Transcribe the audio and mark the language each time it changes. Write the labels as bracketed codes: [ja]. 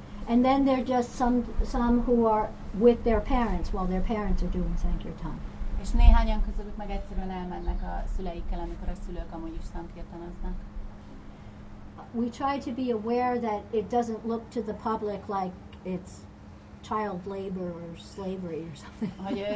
[en] And then there're just some who are with their parents while their parents are doing sankirtan. [hu] És néhányan közülük meg egyszerűen elmennek a szüleikkel, amikor a szülők amúgy is sankirtanoznak. [en] We try to be aware that it doesn't look to the public like it's child labor or slavery or something.